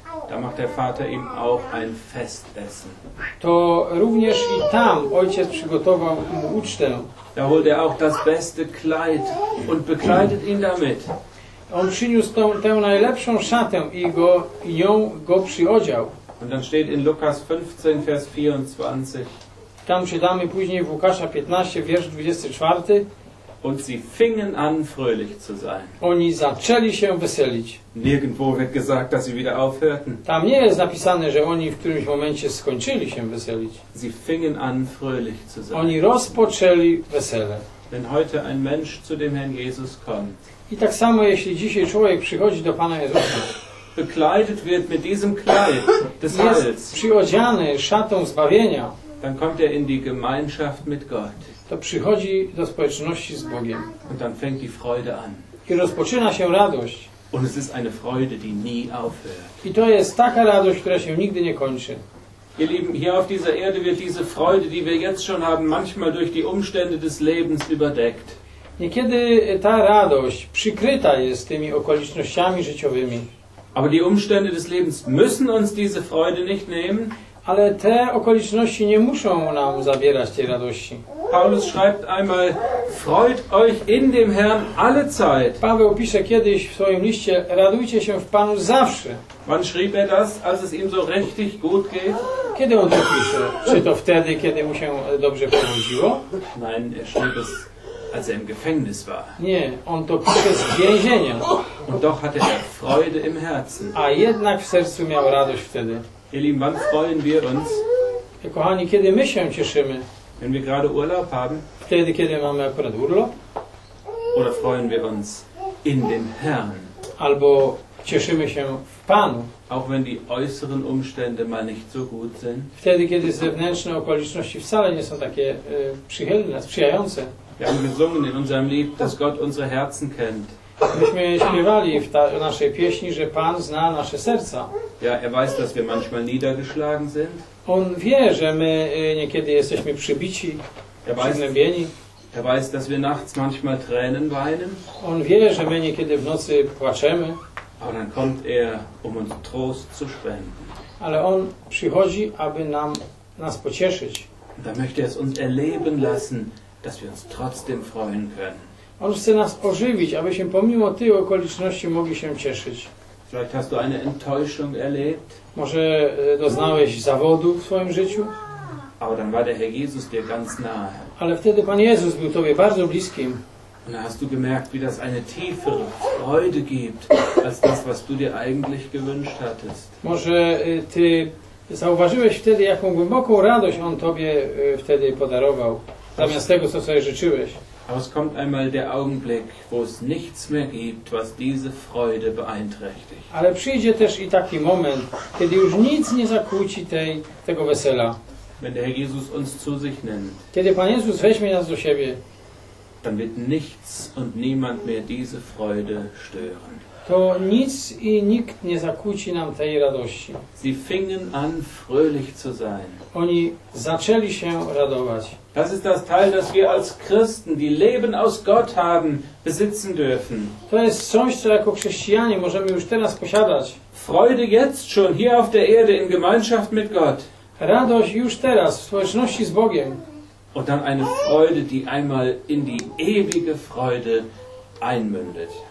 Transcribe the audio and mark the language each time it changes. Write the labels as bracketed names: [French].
[German] da macht der Vater ihm auch ein Festessen. [Polish] To również i tam ojciec przygotował mu ucztę. [German] Da holt er auch das beste Kleid und bekleidet ihn damit. [Polish] On przyniósł tę najlepszą szatę i nią go przyodział. [German] Und dann steht in Lukas 15, Vers 24. [Polish] Tam czytamy później w Łukasza 15, wiersz 24. [German] Und sie fingen an, fröhlich zu sein. [Polish] Oni zaczęli się weselić. [German] Nirgendwo wird gesagt, dass sie wieder aufhörten. [Polish] Tam nie jest napisane, że oni w którymś momencie skończyli się weselić. [German] Sie fingen an, fröhlich zu sein. [Polish] Oni rozpoczęli wesele. [German] Wenn heute ein Mensch zu dem Herrn Jesus kommt. [Polish] I tak samo, jeśli dzisiaj człowiek przychodzi do Pana Jezusa. [German] Bekleidet wird mit diesem Kleid des Heils. [Polish] Jest przyodziany szatą zbawienia. [German] Dann kommt er in die Gemeinschaft mit Gott. [Polish] To przychodzi do społeczności z Bogiem. [German] Und dann fängt die Freude an. [Polish] I rozpoczyna się radość. [German] Und es ist eine Freude, die nie aufhört. [Polish] I to jest taka radość, która się nigdy nie kończy. [German] Ihr Lieben, hier auf dieser Erde wird diese Freude, die wir jetzt schon haben, manchmal durch die Umstände des Lebens überdeckt. [Polish] Niekiedy ta radość przykryta jest tymi okolicznościami życiowymi. [German] Aber die Umstände des Lebens müssen uns diese Freude nicht nehmen. [Polish] Ale te okoliczności nie muszą nam zabierać tej radości. [German] Paulus schreibt einmal: Freut euch in dem Herrn alle Zeit. [Polish] Paweł pisze kiedyś w swoim liście: Radujcie się w Panu zawsze. [German] Wann schrieb er das, als es ihm so richtig gut geht? [Polish] Kiedy on to pisze? Czy to wtedy, kiedy mu się dobrze powodziło? [German] Nein, er schrieb es, als er im Gefängnis war. [Polish] Nie, on to przez więzienia. [German] Und doch hatte er Freude im Herzen. [Polish] A jednak w sercu miał radość wtedy. [German] Ili, wann freuen wir uns? [Polish] Kochani, kiedy my się cieszymy? [German] Wenn wir gerade Urlaub haben? [Polish] Wtedy, kiedy mamy akurat urlop? [German] Oder freuen wir uns in dem Herrn? [Polish] Albo cieszymy się w Panu. [German] Auch wenn die äußeren Umstände mal nicht so gut sind. [Polish] Wtedy, kiedy zewnętrzne okoliczności wcale nie są takie przychylne, sprzyjające. [German] Wir haben gesungen in unserem Lied, dass Gott unsere Herzen kennt. [Polish] Myśmy śpiewali w naszej pieśni, że Pan zna nasze serca. [German] Ja, er weiß, dass wir manchmal niedergeschlagen sind. [Polish] On wie, że my niekiedy jesteśmy przybici, przygnębieni. [German] Er weiß, dass wir nachts manchmal Tränen weinen. [Polish] On wie, że my niekiedy w nocy płaczemy. [German] Aber dann kommt er, um uns Trost zu spenden. [Polish] Ale on przychodzi, aby nam nas pocieszyć. [German] Da möchte er es uns erleben lassen, dass wir uns trotzdem freuen können. [Polish] On chce nas ożywić, abyśmy pomimo tych okoliczności mogli się cieszyć. [German] Vielleicht hast du eine Enttäuschung erlebt. [Polish] Może doznałeś zawodu w swoim życiu. [German] Aber dann war der Herr Jesus dir ganz nahe. [Polish] Ale wtedy Pan Jezus był tobie bardzo bliskim. [German] Und dann hast du gemerkt, wie das eine tiefere Freude gibt, als das, was du dir eigentlich gewünscht hattest. [Polish] Może ty zauważyłeś wtedy, jaką głęboką radość on tobie wtedy podarował, zamiast tego, co sobie życzyłeś. [German] Aber es kommt einmal der Augenblick, wo es nichts mehr gibt, was diese Freude beeinträchtigt. [Polish] Ale przyjdzie też i taki moment, kiedy już nic nie zakłóci tego wesela. [German] Wenn der Herr Jesus uns zu sich nennt, [Polish] kiedy Pan Jezus weźmie nas do siebie, [German] dann wird nichts und niemand mehr diese Freude stören. [Polish] To nic i nikt nie zakłóci nam tej radości. [German] Sie fingen an, fröhlich zu sein. [Polish] Oni zaczęli się radować. [German] Das ist das Teil, das wir als Christen, die Leben aus Gott haben, besitzen dürfen. [Polish] To jest coś, co jako chrześcijanie możemy już teraz posiadać. [German] Freude jetzt schon, hier auf der Erde, in Gemeinschaft mit Gott. [Polish] Radość już teraz, w społeczności z Bogiem. [German] Und dann eine Freude, die einmal in die ewige Freude einmündet.